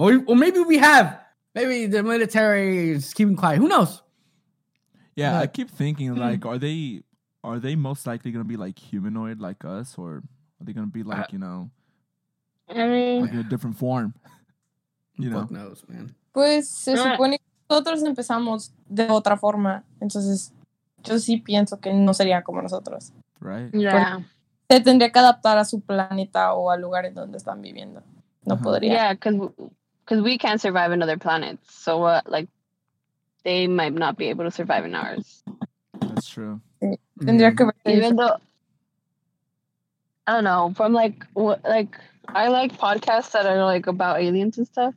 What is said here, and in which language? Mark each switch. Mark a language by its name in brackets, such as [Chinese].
[English] Or maybe we have. Maybe the military is keeping quiet. Who knows? Yeah, like, I keep thinking, like, are they most likely going to be, like, humanoid like us? Or are they going to be, like, you know, like in a different form? You know? Fuck knows, man. [Spanish] Pues, se supone nosotros empezamos de otra forma. Entonces, yo sí pienso que no serían como nosotros. [English] Right. Yeah. [Spanish] Se tendría que adaptar a su planeta o al lugar en donde están viviendo. No podría. [English] Yeah, because we can't survive in other planets. So, like, they might not be able to survive in ours. That's true. [Spanish] Tendría que ver. [English] Even though, I don't know, from, like, I like podcasts that are, like, about aliens and stuff.